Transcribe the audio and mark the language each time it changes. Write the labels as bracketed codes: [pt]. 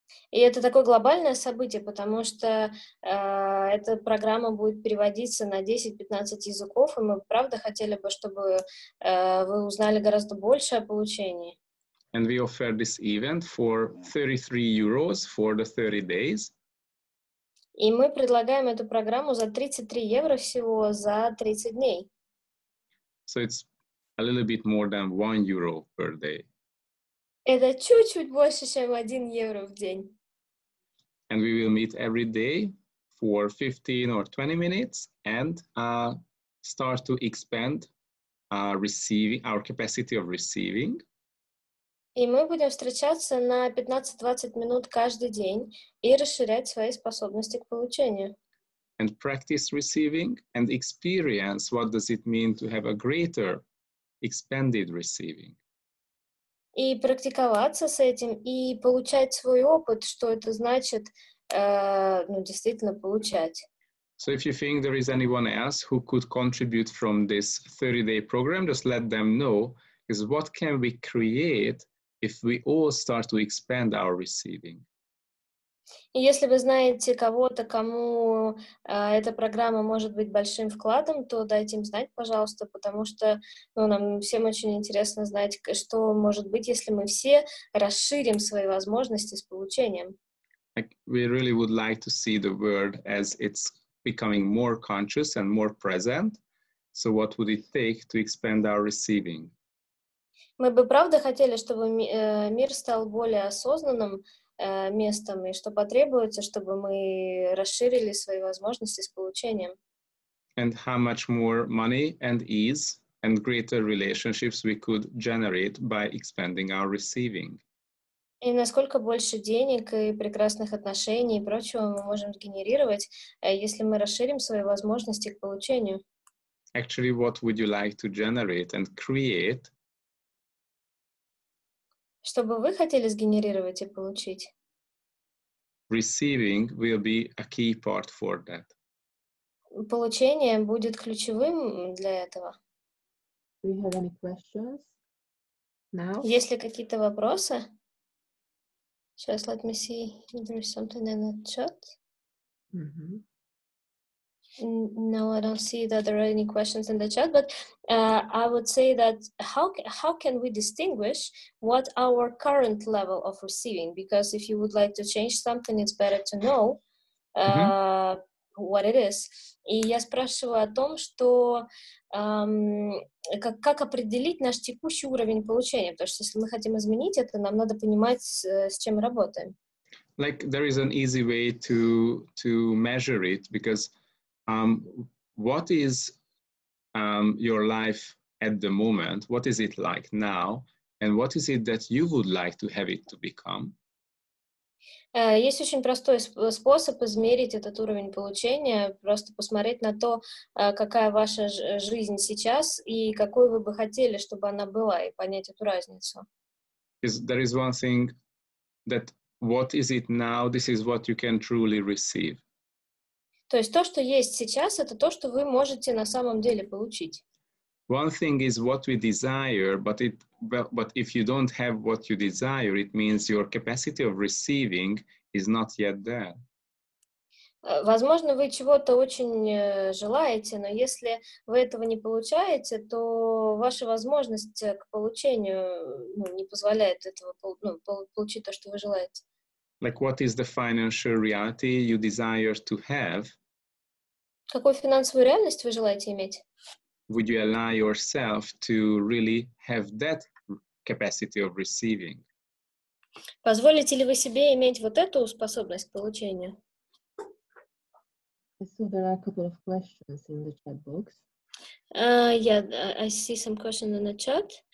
[ru] И это такое глобальное событие, потому что эта программа будет переводиться на 10-15 языков, и мы правда хотели бы, чтобы вы узнали гораздо больше о получении. [en] And we offer this event for 33 euros for the 30 days. [ru] И мы предлагаем эту программу за 33 евро всего за 30 дней. [en] So it's a little bit more than 1 euro per day. [ru] Это чуть-чуть больше, чем 1 евро в день. [en] And we will meet every day for 15 or 20 minutes and start to expand receiving, our capacity of receiving. [ru] И мы будем встречаться на 15-20 минут каждый день и расширять свои способности к получению. [en] And practice receiving and experience what does it mean to have a greater expanded receiving. [ru] И практиковаться с этим, и получать свой опыт, что это значит, ну, действительно получать. [en] So if you think there is anyone else who could contribute from this 30-day program, just let them know, is what can we create if we all start to expand our receiving? [ru] И если вы знаете кого-то, кому эта программа может быть большим вкладом, то дайте им знать, пожалуйста, потому что ну, нам всем очень интересно знать, что может быть, если мы все расширим свои возможности с получением. [en] Like, we really would like to see the world as it's becoming more conscious and more present. So what would it take to expand our receiving? [ru] Мы бы правда хотели, чтобы мир стал более осознанным местом, и что потребуется, чтобы мы расширили свои возможности с получением. [en] And how much more money and ease and greater relationships we could generate by expanding our receiving. [ru] И насколько больше денег и прекрасных отношений и прочего мы можем сгенерировать, если мы расширим свои возможности к получению. [en] Actually, what would you like to generate and create? [ru] Что бы вы хотели сгенерировать и получить? [en] Receiving will be a key part for that. [ru] Получение будет ключевым для этого. [en] Do you have any questions? Now? [ru] Есть ли какие-то вопросы? Сейчас, [en] let me see if there's something in the chat. No, I don't see that there are any questions in the chat, but I would say that how can we distinguish what our current level of receiving? Because if you would like to change something, it's better to know what it is. [ru] И я спрашиваю о том, что как определить наш текущий уровень получения? Потому что если мы хотим изменить это, нам надо понимать, с чем работаем. [en] Like, there is an easy way to measure it, because what is your life at the moment? What is it like now? And what is it that you would like to have it to become? [ru] Есть очень простой способ измерить этот уровень получения, просто посмотреть на то, какая ваша жизнь сейчас и какой вы бы хотели, чтобы она была, и понять эту разницу. [en] There is one thing that what is it now? This is what you can truly receive. [ru] То есть то, что есть сейчас, это то, что вы можете на самом деле получить. [en] One thing is what we desire, but if you don't have what you desire, it means your capacity of receiving is not yet there. [ru] Возможно, вы чего-то очень желаете, но если вы этого не получаете, то ваша возможность к получению не позволяет этого получить то, что вы желаете. [en] Like, what is the financial reality you desire to have? [ru] Какую финансовую реальность вы желаете иметь? [en] Would you allow yourself to really have that capacity of receiving? [ru] Позволите ли вы себе иметь вот эту способность получения? [en] I see there are a couple of questions in the chat box. Yeah, I see some questions in the chat.